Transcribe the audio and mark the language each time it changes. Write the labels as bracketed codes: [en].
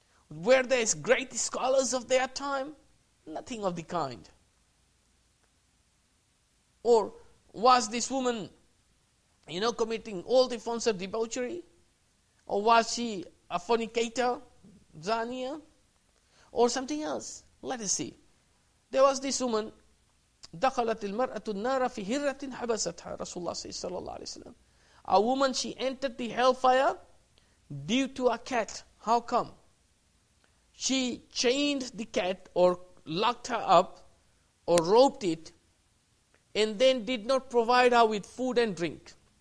[en] Were they great scholars of their time? Nothing of the kind. Or was this woman, you know, committing all the forms of debauchery? Or was she a fornicator, zaniya? Or something else? Let us see. There was this woman, [ar] دخلت المرأة النار في هرة حبستها. [en] Rasulullah says, sallallahu alayhi wa sallam. A woman, she entered the hellfire due to a cat. How come? She chained the cat or locked her up or roped it and then did not provide her with food and drink.